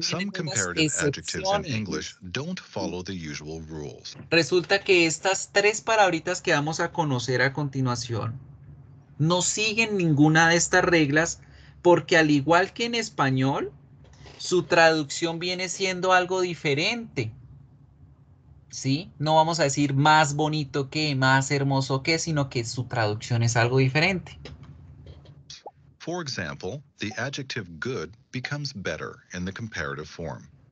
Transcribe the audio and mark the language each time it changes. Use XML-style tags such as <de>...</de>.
<en>some comparative adjectives in English don't follow the usual rules.</en> <es>Resulta que estas tres palabritas que vamos a conocer a continuación no siguen ninguna de estas reglas porque al igual que en español, su traducción viene siendo algo diferente. ¿Sí? No vamos a decir más bonito que, más hermoso que, sino que su traducción es algo diferente.</es> <en>For example, the adjective good becomes better in the comparative form.</en>